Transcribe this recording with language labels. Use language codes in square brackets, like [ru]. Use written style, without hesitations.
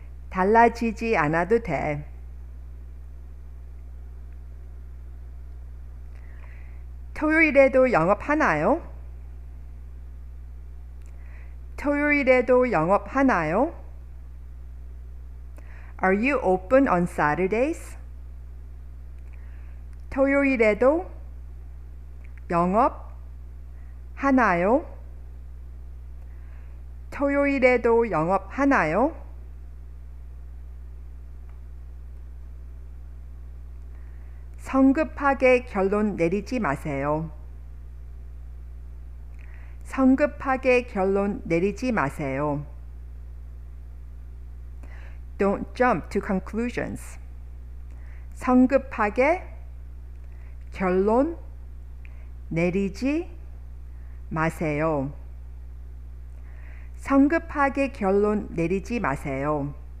[ko] 달라지지 않아도 돼. 토요일에도 영업하나요? 토요일에도 영업하나요? [en] Are you open on Saturdays? [ko] 토요일에도 영업 하나요? 토요일에도 영업 하나요? 성급하게 결론 내리지 마세요. 성급하게 결론 내리지 마세요. [en] Don't jump to conclusions. [ko] 성급하게 결론 내리지 마세요. 성급하게 결론 내리지 마세요.